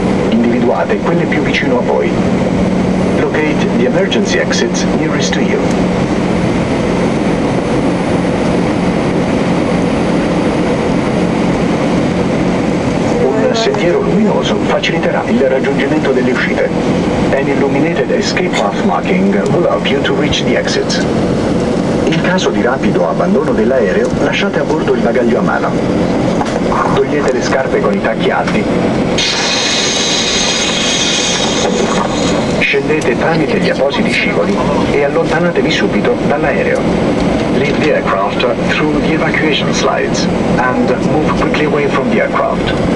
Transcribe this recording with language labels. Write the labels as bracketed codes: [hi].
[it] Individuate quelle più vicino a voi. [en] Locate the emergency exits nearest to you. [it] Un sentiero luminoso faciliterà il raggiungimento delle uscite. [en] An illuminated escape path marking will help you to reach the exits. [it] In caso di rapido abbandono dell'aereo, lasciate a bordo il bagaglio a mano. Togliete le scarpe con i tacchi alti. Scendete tramite gli appositi scivoli e allontanatevi subito dall'aereo. [en] Leave the aircraft through the evacuation slides and move quickly away from the aircraft.